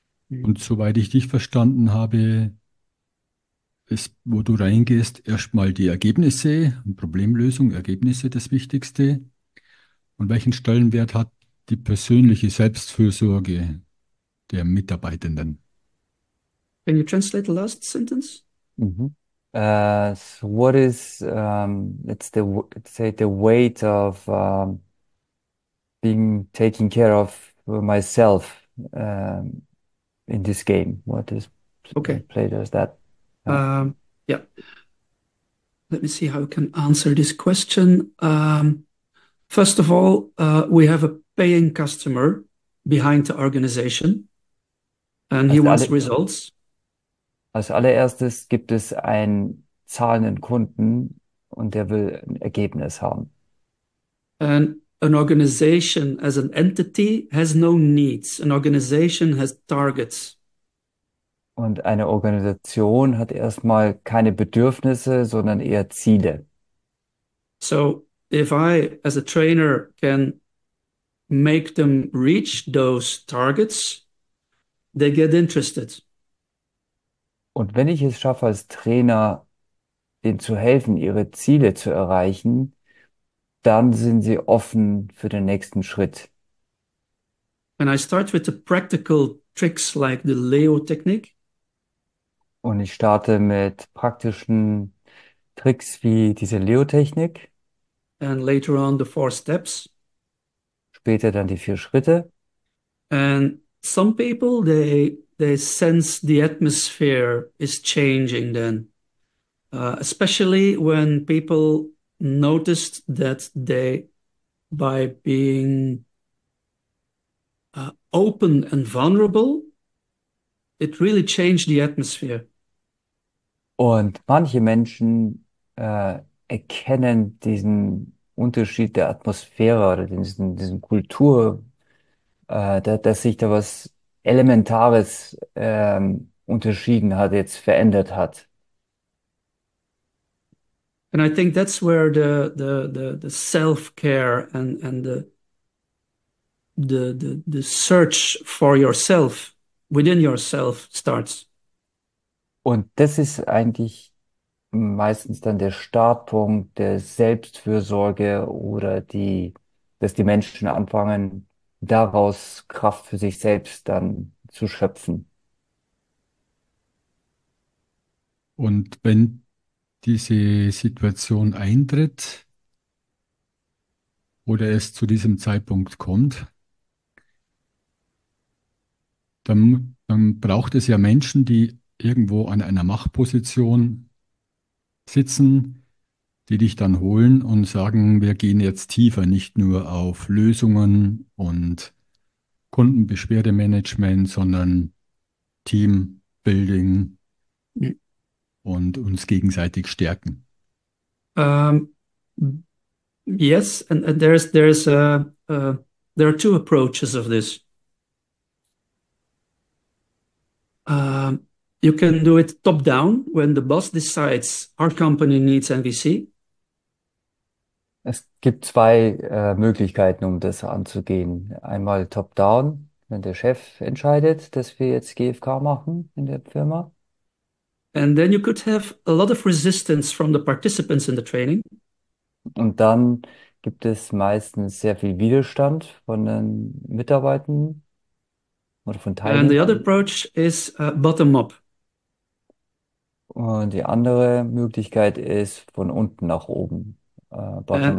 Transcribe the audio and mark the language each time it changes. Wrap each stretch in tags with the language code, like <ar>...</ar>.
<de>Und soweit ich dich verstanden habe, ist, wo du reingehst, erstmal die Ergebnisse, Problemlösung, Ergebnisse das Wichtigste. Und welchen Stellenwert hat die persönliche Selbstfürsorge der Mitarbeitenden?</de> <en>Can you translate the last sentence? So what is let's say the weight of being taking care of myself in this game? What is Okay. play does that? Let me see how I can answer this question. First of all, we have a paying customer behind the organization, and he Also wants</en> <de>alle.</de> <en>results.</en> <de>Als allererstes gibt es einen zahlenden Kunden und der will ein Ergebnis haben.</de> <en>And an organization as an entity has no needs. An organization has targets.</en> <de>Und eine Organisation hat erstmal keine Bedürfnisse, sondern eher Ziele.</de> <en>So, if I, as a trainer, can make them reach those targets, they get interested.</en> <de>Und wenn ich es schaffe, als Trainer, denen zu helfen, ihre Ziele zu erreichen, dann sind sie offen für den nächsten Schritt.</de> <en>And I start with the practical tricks like the Leo-Technik.</en> <de>Und ich starte mit praktischen Tricks wie diese Leo-Technik.</de> <en>And later on the four steps.</en> <de>Später dann die vier Schritte.</de> <en>And some people they sense the atmosphere is changing then. Especially when people noticed that they by being open and vulnerable, it really changed the atmosphere.</en> <de>Und manche Menschen erkennen diesen Unterschied der Atmosphäre oder diesen Kultur, dass sich da was Elementares unterschieden hat, jetzt verändert hat.</de> <en>And I think that's where the self-care and the search for yourself within yourself starts.</en> <de>Und das ist eigentlich meistens dann der Startpunkt der Selbstfürsorge oder dass die Menschen anfangen, daraus Kraft für sich selbst dann zu schöpfen. Und wenn diese Situation eintritt oder es zu diesem Zeitpunkt kommt, dann braucht es ja Menschen, die irgendwo an einer Machtposition sitzen, die dich dann holen und sagen, wir gehen jetzt tiefer, nicht nur auf Lösungen und Kundenbeschwerdemanagement, sondern Teambuilding. Und uns gegenseitig stärken.</de> <en>Yes, and there are two approaches of this. You can do it top down when the boss decides our company needs MVC.</en> <de>Es gibt zwei Möglichkeiten, um das anzugehen. Einmal top-down, wenn der Chef entscheidet, dass wir jetzt GFK machen in der Firma.</de> <en>And then you could have a lot of resistance from the participants in the training.</en> <de>Und dann gibt es meistens sehr viel Widerstand von den Mitarbeitern oder von</de> <en>And the other</en> <de>Teilnehmern.</de> <en>approach is bottom up.</en> <de>Und die andere Möglichkeit ist von unten nach oben, bottom</de>